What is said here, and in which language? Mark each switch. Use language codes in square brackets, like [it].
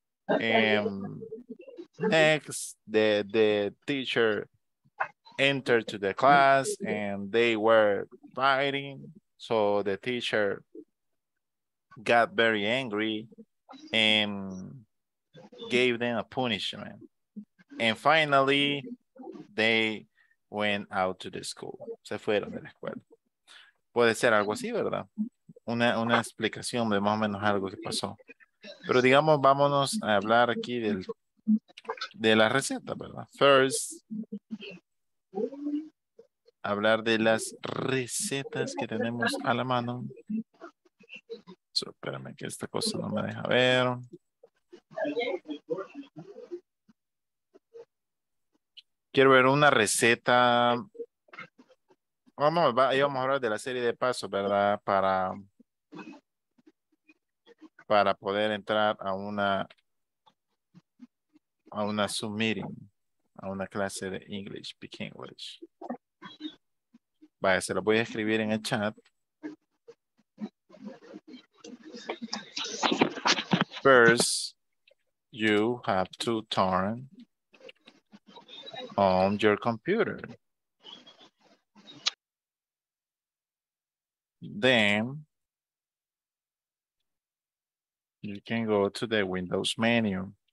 [en] And next, the teacher entered to the class and they were fighting. So the teacher got very angry and gave them a punishment. And finally, they went out to the school. [es] Se fueron de la escuela. Puede ser algo así, ¿verdad? Una explicación de más o menos algo que pasó. Pero digamos, vámonos a hablar aquí de la receta, ¿verdad? [en] First, [es] hablar de las recetas que tenemos a la mano. So, espérame que esta cosa no me deja ver. Quiero ver una receta. Vamos a hablar de la serie de pasos, ¿verdad? Para poder entrar a una Zoom meeting, a una clase de English, speak English. Vaya, se lo voy a escribir en el chat. [en] First, you have to turn on your computer. Then, you can go to the Windows menu.